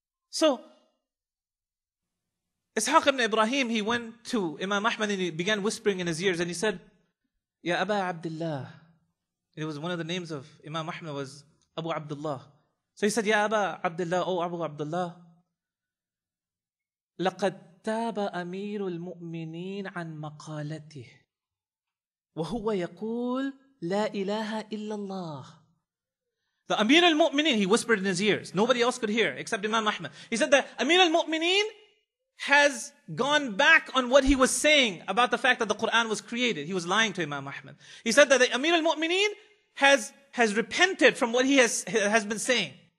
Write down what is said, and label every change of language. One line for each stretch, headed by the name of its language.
English: So, Ishaq ibn Ibrahim, he went to Imam Ahmed and he began whispering in his ears and he said, Ya Aba Abdullah. It was one of the names of Imam Ahmed was Abu Abdullah. So he said, Ya Aba Abdullah, O Abu Abdullah.
Arabic: لَقَدْ تَابَ أَمِيرُ الْمُؤْمِنِينَ عَنْ مَقَالَتِهِ وَهُوَ يَقُولُ لا إله إلا الله.
English: The Amir al-Mu'mineen, he whispered in his ears. Nobody else could hear except Imam Ahmed. He said that Amir al-Mu'mineen has gone back on what he was saying about the fact that the Quran was created. He was lying to Imam Ahmed. He said that the Amir al-Mu'mineen has repented from what he has been saying.